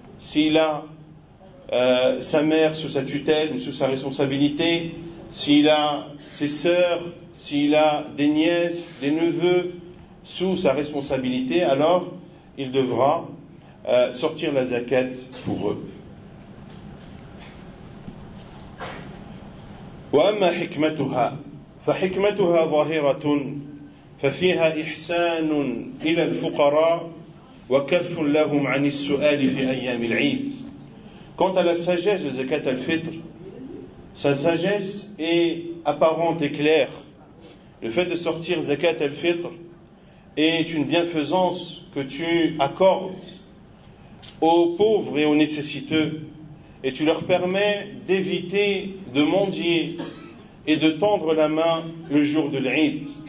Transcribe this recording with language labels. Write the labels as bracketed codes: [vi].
[fr] S'il a sa mère sous sa tutelle ou sous sa responsabilité, s'il a ses sœurs, s'il a des nièces, des neveux sous sa responsabilité, alors il devra sortir la zakat pour eux. [ar] وأما حكمتها فحكمتها ظاهرة ففيها إحسان إلى الفقراء وكف لهم عن السؤال في أيام العيد. [fr] Quant à la sagesse de zakat al-fitr, sa sagesse est apparente et claire. Le fait de sortir zakat al-fitr est une bienfaisance que tu accordes aux pauvres et aux nécessiteux, et tu leur permets d'éviter de mendier et de tendre la main le jour de l'Eid.